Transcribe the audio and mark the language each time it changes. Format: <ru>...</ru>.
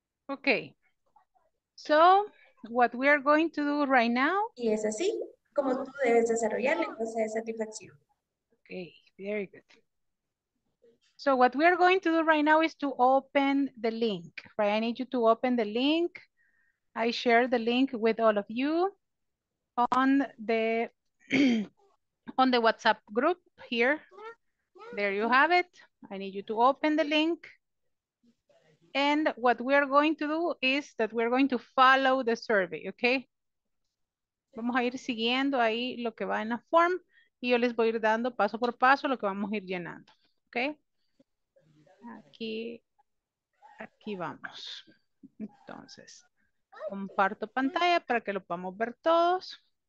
<en>Okay, so what we are going to do right now?</en> <es>Y es así como tú debes desarrollar la encuesta de satisfacción.</es> <en>Okay, very good. So what we are going to do right now is to open the link, right? I need you to open the link. I share the link with all of you on the on the WhatsApp group here. There you have it. I need you to open the link. And what we are going to do is that we are going to follow the survey, okay?</en> <es>Vamos a ir siguiendo ahí lo que va en la form y yo les voy a ir dando paso por paso lo que vamos a ir llenando, okay? Aquí vamos. Entonces, comparto pantalla para que lo podamos ver todos.</es>